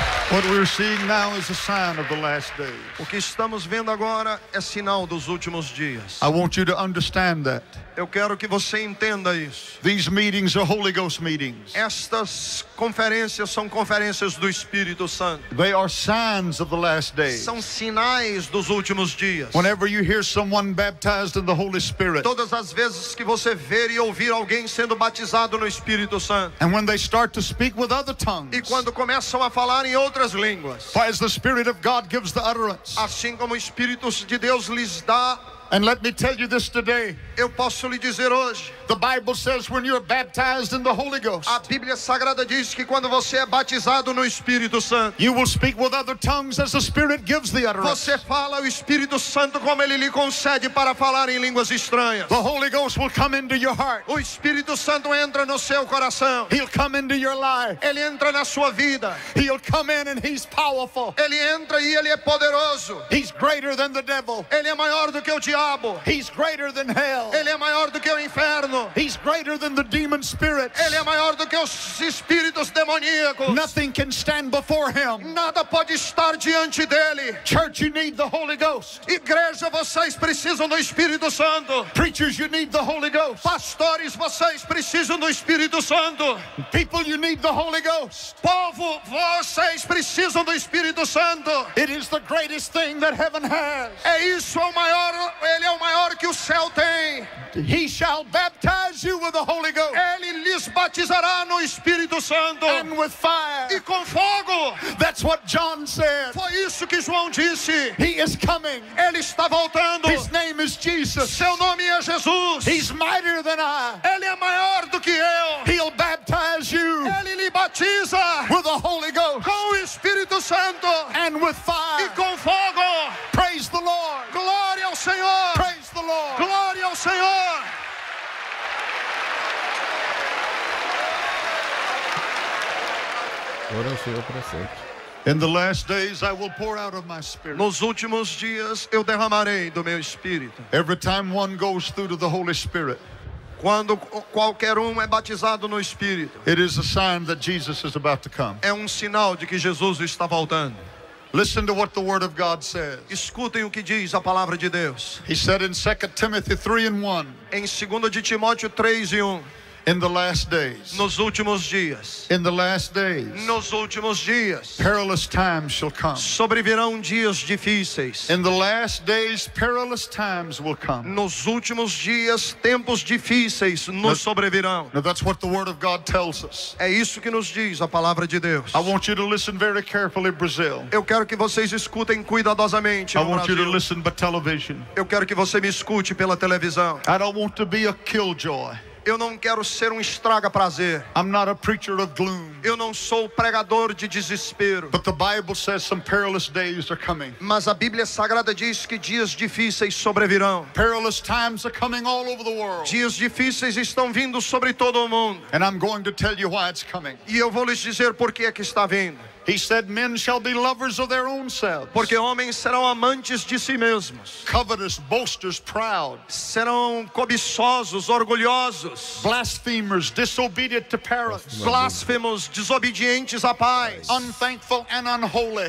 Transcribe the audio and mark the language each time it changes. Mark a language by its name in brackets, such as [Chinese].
[English] What we're seeing now is a sign of the last days. [Portuguese] O que estamos vendo agora é sinal dos últimos dias. [English] I want you to understand that. [Portuguese] Eu quero que você entenda isso. [English] These meetings are Holy Ghost meetings. [Portuguese] Estas conferências são conferências do Espírito Santo. [English] They are signs of the last days. [Portuguese] São sinais dos últimos dias. [English] Whenever you hear someone baptized in the Holy Spirit. [Portuguese] Todas as vezes que você ver e ouvir alguém sendo batizado no Espírito Santo. [English] And when they start to speak with other tongues. [Portuguese] E quando começam a falar em outras outras línguas. [English] For as the Spirit of God gives the utterance. [Portuguese] Assim como o Espírito de Deus lhes dá. [English] And let me tell you this today. [Portuguese] Eu posso lhe dizer hoje. [English] The Bible says when you are baptized in the Holy Ghost. [Portuguese] A Bíblia Sagrada diz que quando você é batizado no Espírito Santo. [English] You will speak with other tongues as the Spirit gives the utterance. [Portuguese] Você fala o Espírito Santo como ele lhe concede para falar em línguas estranhas. [English] The Holy Ghost will come into your heart. [Portuguese] O Espírito Santo entra no seu coração. [English] He'll come into your life. [Portuguese] Ele entra na sua vida. [English] He'll come in and he's powerful. [Portuguese] Ele entra e ele é poderoso. [English] He's greater than the devil. [Portuguese] Ele é maior do que o diabo. [English] He's greater than hell. [Portuguese] Ele é maior do que o inferno. [English] He's greater than the demon spirits. [Portuguese] Ele é maior do que os espíritos demoníacos. [English] Nothing can stand before him. [Portuguese] Nada pode estar diante dele. [English] Church, you need the Holy Ghost. [Portuguese] Igreja, vocês precisam do Espírito Santo. [English] Preachers, you need the Holy Ghost. [Portuguese] Pastores, vocês precisam do Espírito Santo. [English] People, you need the Holy Ghost. [Portuguese] Povo, vocês precisam do Espírito Santo. [English] It is the greatest thing that heaven has. [Portuguese] É isso, o maior. Ele é o maior que o céu tem. [English] He shall baptize you with the Holy Ghost. [Portuguese] Ele lhes batizará no Espírito Santo. [English] And with fire. [Portuguese] E com fogo. [English] That's what John said. [Portuguese] Foi isso que João disse. [English] He is coming. [Portuguese] Ele está voltando. [English] His name is Jesus. [Portuguese] Seu nome é Jesus. [English] He's mightier than I. [Portuguese] Ele é maior do que eu. [English] He'll baptize you. [Portuguese] Ele lhe batiza. [English] With the Holy Ghost. [Portuguese] Com o Espírito Santo. [English] And with fire. [Portuguese] E com fogo. [English] Praise the Lord. [Portuguese] Glória ao Senhor. [English] Praise the Lord. [Portuguese] Glória ao Senhor. Ora ao Senhor para sempre. [English] In the last days I will pour out of my spirit. [Portuguese] Nos últimos dias eu derramarei do meu espírito. [English] Every time one goes through to the Holy Spirit. [Portuguese] Quando qualquer é batizado no espírito. [English] It is a sign that Jesus is about to come. [Portuguese] É sinal de que Jesus está voltando. [English] Listen to what the word of God says. [Portuguese] Escutem o que diz a palavra de Deus. [English] He said in 2 Timothy 3:1. [Portuguese] Em 2 Timóteo 3:1. [English] In the last days. [Portuguese] Nos últimos dias. [English] In the last days. [Portuguese] Nos últimos dias. [English] Perilous times shall come. [Portuguese] Sobrevirão dias difíceis. [English] In the last days, perilous times will come. [Portuguese] Nos últimos dias, tempos difíceis nos sobrevirão. [English] Now that's what the word of God tells us. [Portuguese] É isso que nos diz a palavra de Deus. [English] I want you to listen very carefully, Brazil. [Portuguese] Eu quero que vocês escutem cuidadosamente. [English] I want you to listen by television. [Portuguese] Eu quero que você me escute pela televisão. [English] I don't want to be a killjoy. [Portuguese] Eu não quero ser estraga prazer. [English] I'm not a preacher of gloom. [Portuguese] Eu não sou pregador de desespero. [English] But the Bible says some perilous days are coming. [Portuguese] Mas a Bíblia Sagrada diz que dias difíceis sobrevirão. [English] Perilous times are coming all over the world. [Portuguese] Dias difíceis estão vindo sobre todo o mundo. [English] And I'm going to tell you why it's coming. [Portuguese] E eu vou lhes dizer por que é que está vindo. [English] He said, "Men shall be lovers of their own selves." [Portuguese] Porque homens serão amantes de si mesmos. [English] Covetous, boasters, proud. [Portuguese] Serão cobiçosos, orgulhosos. [English] Blasphemers, disobedient to parents. [Portuguese] Blasfemos, desobedientes a pais. [English] Unthankful and unholy.